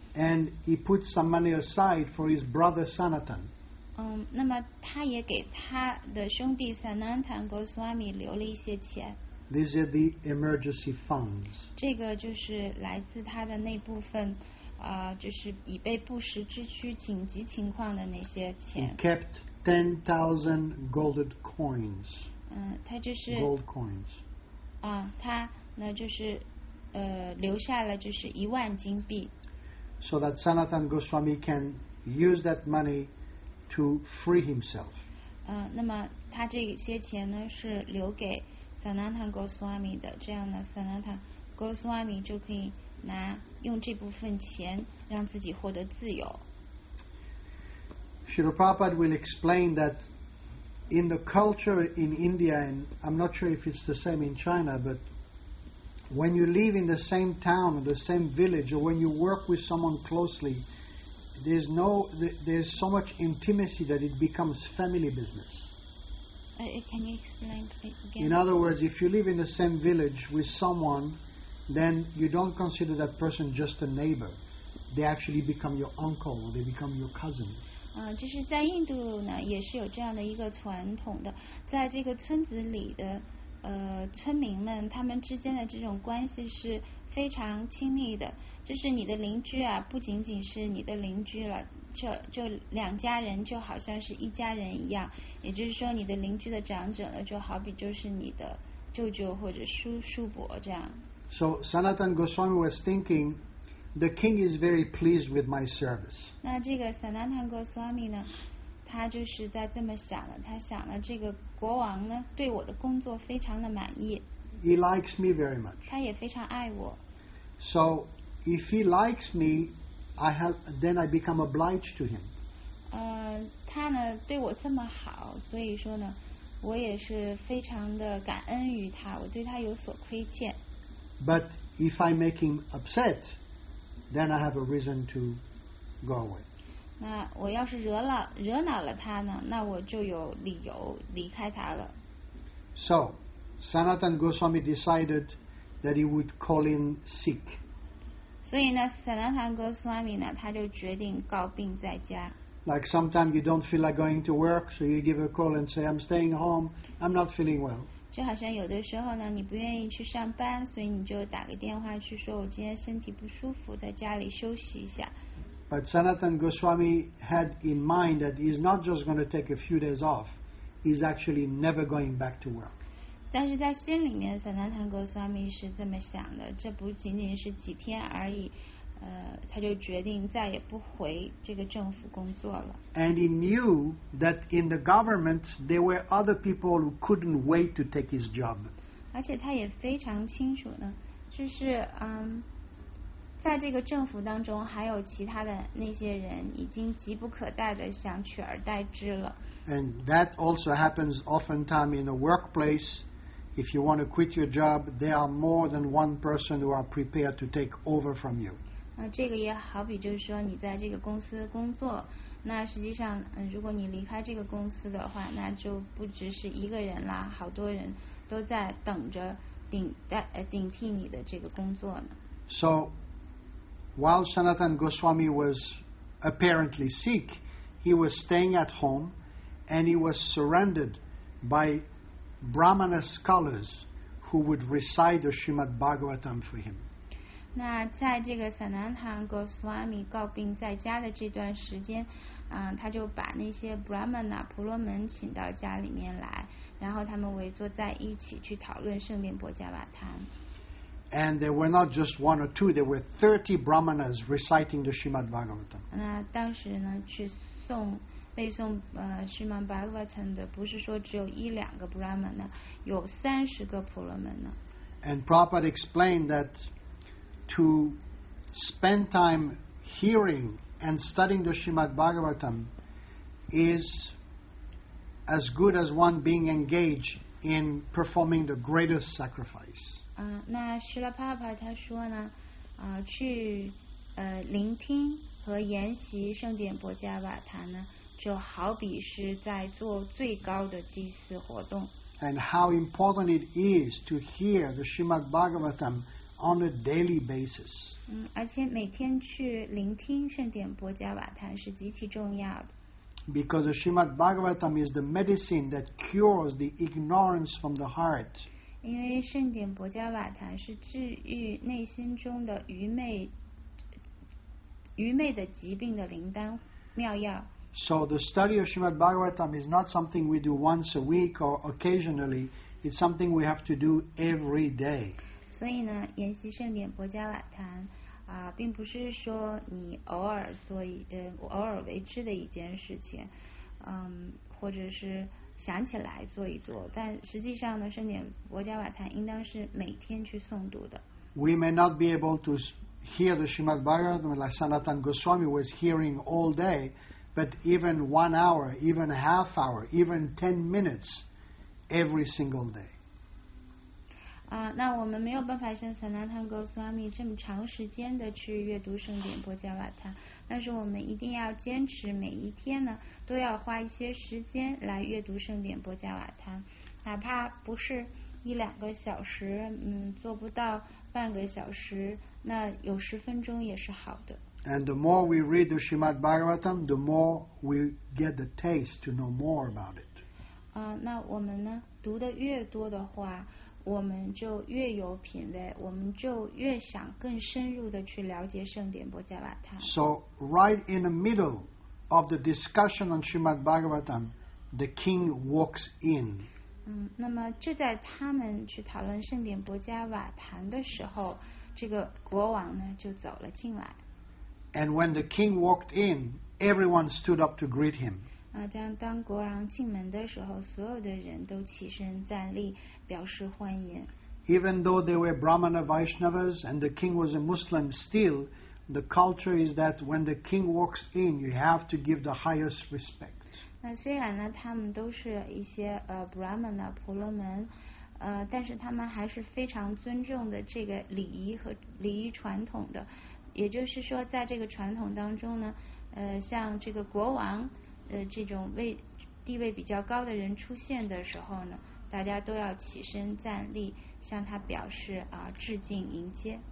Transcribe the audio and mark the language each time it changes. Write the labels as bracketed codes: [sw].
[en] And he put some money aside for his brother Sanatan. [zh] 那么他也给他的兄弟 Sanatan Goswami 留了一些钱。 [en] These are the emergency funds. [zh] 这个就是来自他的那部分，就是以备不时之需、紧急情况的那些钱。 [en] He kept 10,000 golden coins. [zh] 他就是 [en] gold coins. [zh] 他那就是留下了就是一万金币。 [en] So that Sanatan Goswami can use that money to free himself. [zh] 那么他这些钱呢是留给 Sanatan Goswami 的，这样呢 Sanatan Goswami 就可以拿用这部分钱让自己获得自由。 [en] Srila Prabhupada will explain that. In the culture in India, and I'm not sure if it's the same in China, but when you live in the same town or the same village, or when you work with someone closely, there's so much intimacy that it becomes family business. Can you explain it again? In other words, if you live in the same village with someone, then you don't consider that person just a neighbor. They actually become your uncle or they become your cousin. [zh] 就是在印度呢也是有这样的一个传统的，在这个村子里的村民们他们之间的这种关系是非常亲密的，就是你的邻居啊不仅仅是你的邻居了，就两家人就好像是一家人一样，也就是说你的邻居的长者呢就好比就是你的舅舅或者叔伯这样。 [en] So Sanatan Goswami was thinking The king is very pleased with my service. [zh] 那这个 Sanatana Goswami 呢，他就是在这么想了，他想了这个国王呢，对我的工作非常的满意。 [en] He likes me very much. [zh] 他也非常爱我。 [en] So, if he likes me, then I become obliged to him. [zh] 他呢对我这么好，所以说呢，我也是非常的感恩于他，我对他有所亏欠。 [en] But if I make him upset, then I have a reason to go away. [zh] 那我要是惹恼了他呢，那我就有理由离开他了。 [en] So, Sanatana Goswami decided that he would call in sick. [zh] 所以呢 ，Sanatana Goswami 呢，他就决定告病在家。 [en] Like sometimes you don't feel like going to work, so you give a call and say, "I'm staying home. I'm not feeling well." [zh] 就好像有的时候呢，你不愿意去上班，所以你就打个电话去说，我今天身体不舒服，在家里休息一下。 [en] But Sanatana Goswami had in mind that he's not just going to take a few days off; he's actually never going back to work. [zh] 但是在心里面 ，Sanatana Goswami 是这么想的：这不仅仅是几天而已。他就决定再也不回这个政府工作了。 [en] And he knew that in the government there were other people who couldn't wait to take his job. [zh] 而且他也非常清楚呢，就是在这个政府当中还有其他的那些人已经急不可待的想取而代之了。 [en] And that also happens oftentimes in the workplace. If you want to quit your job, there are more than one person who are prepared to take over from you. [zh] 这个也好比就是说你在这个公司工作，那实际上如果你离开这个公司的话，那就不只是一个人啦，好多人都在等着顶替你的这个工作呢。 [en] So while Sanatana Goswami was apparently sick, he was staying at home and he was surrounded by Brahmana scholars who would recite the Srimad Bhagavatam for him. [zh] 那在这个 Sanatana Goswami 告病在家的这段时间，他就把那些 Brahmana 婆罗门请到家里面来，然后他们围坐在一起去讨论圣殿波加瓦坛。 [en] And there were not just one or two; there were 30 Brahmanas reciting the Srimad Bhagavatam. [zh] 那当时呢，去背诵Srimad Bhagavatam 的不是说只有一两个 Brahmana， 有30个婆罗门呢。 [en] And Prabhupada explained that. To spend time hearing and studying the Srimad Bhagavatam is as good as one being engaged in performing the greatest sacrifice. [zh] 那释迦牟尼佛他说呢，去聆听和研习圣殿波迦瓦坛呢，就好比是在做最高的祭祀活动。 [en] And how important it is to hear the Srimad Bhagavatam. On a daily basis. [zh] 而且每天去聆听圣殿波迦瓦坛是极其重要的。 [en] Because the Srimad Bhagavatam is the medicine that cures the ignorance from the heart. [zh] 因为圣殿波迦瓦坛是治愈内心中的愚昧的疾病的灵丹妙药。 [en] So the study of Srimad Bhagavatam is not something we do once a week or occasionally. It's something we have to do every day. [zh] 所以呢，研习圣典博加瓦坛并不是说你偶尔为之的一件事情，或者是想起来做一做，但实际上呢，圣典博加瓦坛应当是每天去诵读的。 [en] We may not be able to hear the Srimad Bhagavatam like Sanatana Goswami was hearing all day, but even 1 hour, even a half hour, even 10 minutes every single day. [zh] 那我们没有办法像 Sanatana Goswami 这么长时间的去阅读圣典波迦瓦坛，但是我们一定要坚持每一天呢都要花一些时间来阅读圣典波迦瓦坛，哪怕不是一两个小时，做不到半个小时，那有十分钟也是好的。 [en] And the more we read the Srimad Bhagavatam, the more we get the taste to know more about it. [zh] 那我们呢读的越多的话。我们就越有品味，我们就越想更深入的去了解圣典波迦瓦坛。 [en] So right in the middle of the discussion on Srimad Bhagavatam, the king walks in. [zh] 那么就在他们去讨论圣典波迦瓦坛的时候，这个国王呢就走了进来。 [en] And when the king walked in, everyone stood up to greet him. [zh] 当国王进门的时候，所有的人都起身站立，表示欢迎。 [en] Even though they were Brahmana Vaishnavas and the king was a Muslim, still, the culture is that when the king walks in, you have to give the highest respect. [zh] 那虽然呢，他们都是一些Brahmana 婆罗门，但是他们还是非常尊重的这个礼仪和礼仪传统的。也就是说，在这个传统当中呢，像这个国王，这种地位比较高的人出现的时候呢，大家都要起身站立，向他表示致敬迎接。